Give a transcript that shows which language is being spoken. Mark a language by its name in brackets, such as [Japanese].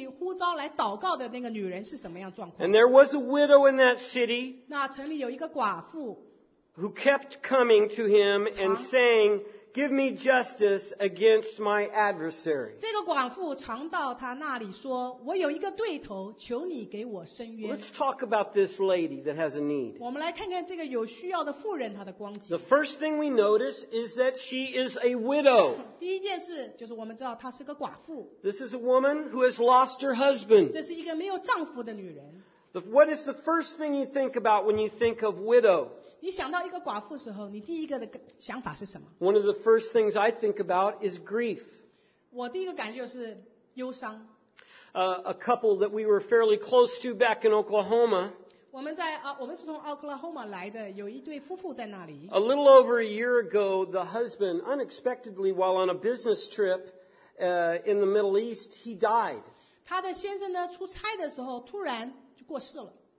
[Chinese] 那我们来看看那个被呼召来祷告的那个女人是什么样状况。 [English] And there was a widow in that city. [Chinese] 那城里有一个寡妇, [English] who kept coming to him and saying, give me justice against my adversary. [Chinese] 这个寡妇常到他那里说，我有一个对头，求你给我伸冤。 [English] Let's talk about this lady that has a need. [Chinese] 我们来看看这个有需要的妇人她的光景。 [English] The first thing we notice is that she is a widow. [Chinese] 第一件事就是我们知道她是个寡妇。This [English] is a woman who has lost her husband. [Chinese] 这是一个没有丈夫的女人。 [English] What is the first thing you think about when you think of widow? [Chinese] 你想到一个寡妇的时候，你第一个的想法是什么？ [English] One of the first things I think about is grief. [Chinese] 我第一个感觉就是忧伤。 [English] A couple that we were fairly close to back in Oklahoma. [Chinese] 我们是从 Oklahoma 来的，有一对夫妇在那里。 [English] A little over a year ago, the husband unexpectedly, while on a business trip in the Middle East, he died. [Chinese] 他的先生呢，出差的时候突然就过世了。